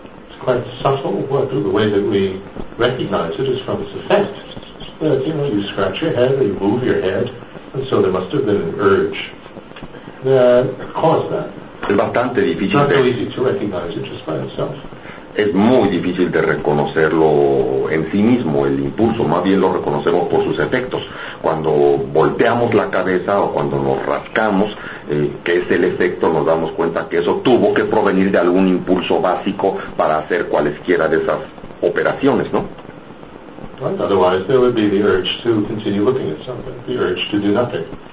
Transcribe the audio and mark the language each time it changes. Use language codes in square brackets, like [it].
[en] It's quite subtle, but the way that we recognize it is from its effect. But, you know, you scratch your head or you move your head, and so there must have been an urge that caused that. [es] Es bastante difícil. [en] Not so easy to recognize it just by itself. [es] Es muy difícil de reconocerlo en sí mismo, el impulso, más bien lo reconocemos por sus efectos. Cuando volteamos la cabeza o cuando nos rascamos, que es el efecto, nos damos cuenta que eso tuvo que provenir de algún impulso básico para hacer cualesquiera de esas operaciones, ¿no? [en] Otherwise there would be the urge to continue looking at something, the urge to do nothing.